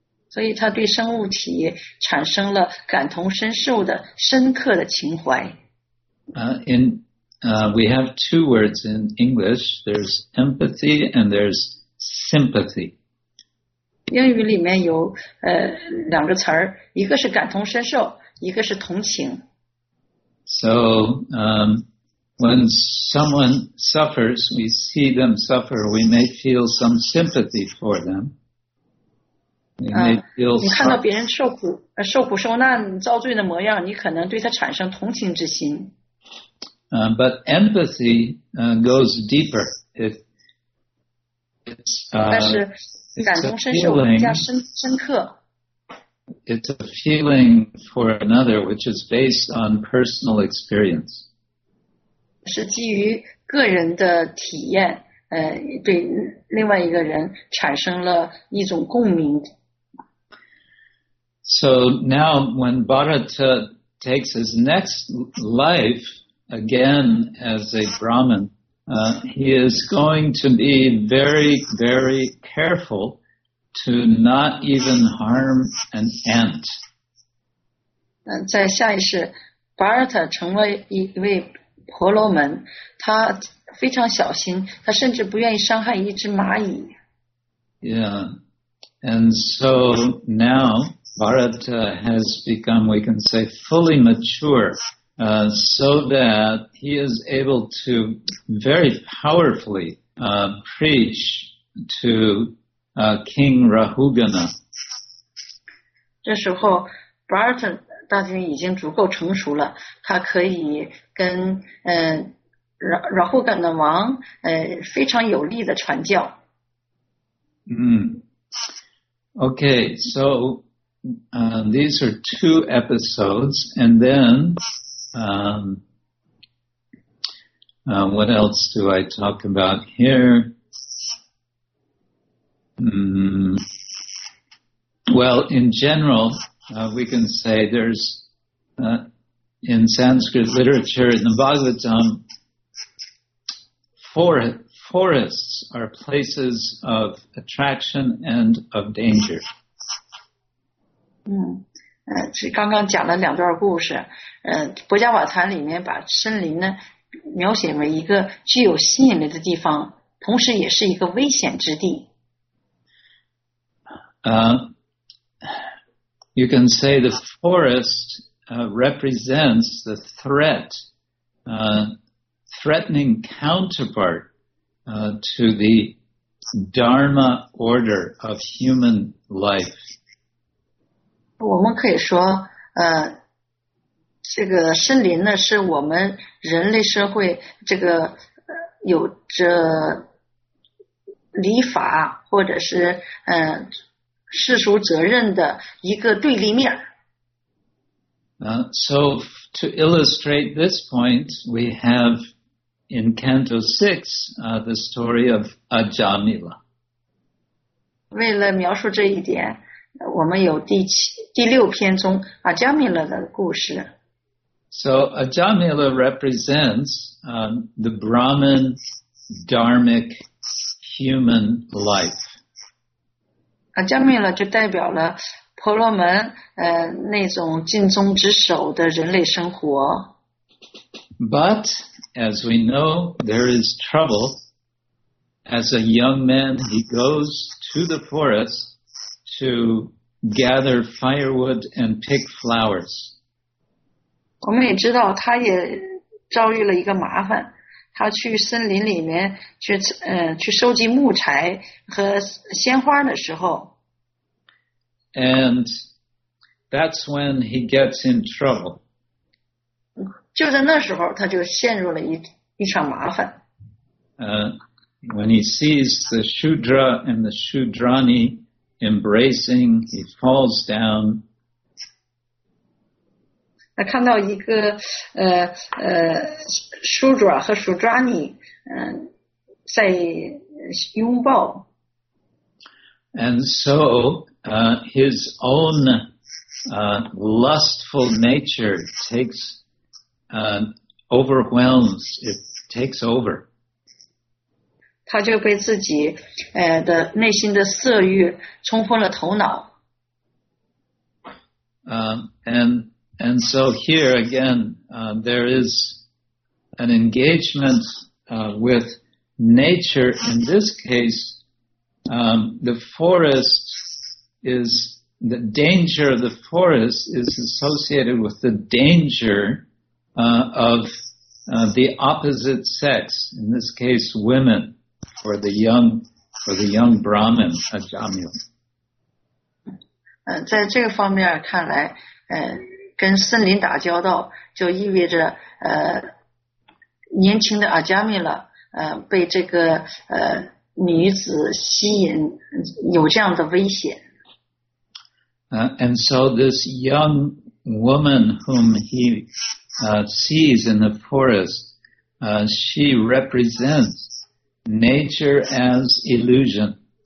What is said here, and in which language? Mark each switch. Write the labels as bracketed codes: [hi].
[zh] 所以他对生物体产生了感同身受的深刻的情怀。 [en] We have two words in English. There's empathy and there's sympathy. [zh] 英语里面有两个词儿，一个是感同身受，一个是同情。 [en] So, when someone suffers, we see them suffer, we may feel some sympathy for them. We may feel [zh] 你看到别人受苦受难遭罪的模样，你可能对他产生同情之心。 [en] But empathy goes deeper. It's a feeling for another, which is based on personal experience. [zh] 是基于个人的体验，对另外一个人产生了一种共鸣。 [en] So now, when Bharata takes his next life again as a Brahmin, he is going to be very, very careful to not even harm an ant. [zh] 在下一世，巴尔塔成为一位婆罗门，他非常小心，他甚至不愿意伤害一只蚂蚁。 [en] Yeah, and so now Bharata has become, we can say, fully mature. So that he is able to very powerfully preach to King Rahugana. [zh] 这时候 Bharata 大军已经足够成熟了，他可以跟Rahugana 王非常有力的传教。 [en] Okay, so these are two episodes, and then what else do I talk about here? Well, in general, we can say there's, in Sanskrit literature, in the Bhagavatam, forests are places of attraction and of danger. [zh] 是刚刚讲了两段故事，《博伽瓦坛》里面把森林呢描写为一个具有吸引力的地方，同时也是一个危险之地。 [en] You can say the forest represents the threat, threatening counterpart to the Dharma order of human life. [zh] 我们可以说这个森林呢是我们人类社会这个有着礼法或者是世俗责任的一个对立面。 [en] So to illustrate this point, we have in Canto 6, the story of Ajamila. [zh] 为了描述这一点，我们有第六篇中阿迦弥勒的故事。 [en] So, Ajamila represents, the Brahmin Dharmic human life. [zh] 阿迦弥勒就代表了婆婆罗门那种尽忠职守的人类生活。 [en] But as we know, there is trouble. As a young man, he goes to the forest to gather firewood and pick flowers. [zh] 我们也知道，他也遭遇了一个麻烦。他去森林里面去去收集木柴和鲜花的时候。 [en] And that's when he gets in trouble. [zh] 就在那时候他就陷入了一场麻烦。 [en] When he sees the Shudra and the Shudrani embracing, he falls down. [zh] 他看到一个Shudra 和 Shudrani 在拥抱。 [en] And so,his own lustful nature takes overwhelms, it takes over. [zh] 他就被自己的内心的色欲冲昏了头脑。 [en] And so here again, there is an engagement with nature. In this case, the forest is, the danger of the forest is associated with the danger of the opposite sex, in this case women, for the young Brahmin, Ajamila. [zh] 在这个方面看来，跟森林打交道就意味着年轻的 Ajamila 被这个女子吸引，有这样的危险。 [en] And so this young woman whom he sees in the forest, she represents nature as illusion.